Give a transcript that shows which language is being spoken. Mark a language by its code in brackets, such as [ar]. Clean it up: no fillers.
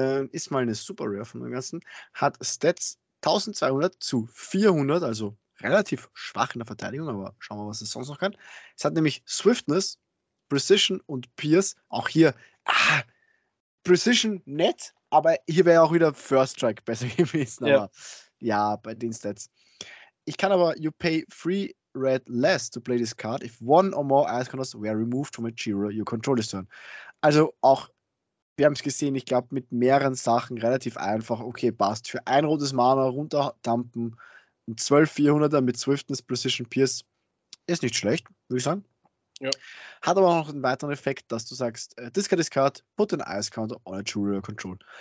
[de] Ist mal eine Super Rare von dem Ganzen. Hat Stats 1200 zu 400, also relativ schwach in der Verteidigung, aber schauen wir mal, was es sonst noch kann. Es hat nämlich Swiftness, Precision und Pierce. Auch hier, Precision nett, aber hier wäre auch wieder First Strike besser gewesen. Aber ja, bei den Stats. Ich kann aber, [en] you pay 3 red less to play this card if one or more ice counters were removed from a Jiro you control this turn. [de] Also auch, wir haben es gesehen, ich glaube, mit mehreren Sachen relativ einfach. Okay, passt. Für ein rotes Mana runterdumpen, ein 12-400er mit Swiftness, Precision, Pierce ist nicht schlecht, würde ich sagen. Ja. Hat aber auch noch einen weiteren Effekt, dass du sagst, [en] discard this card, put an ice counter on a Jiro control.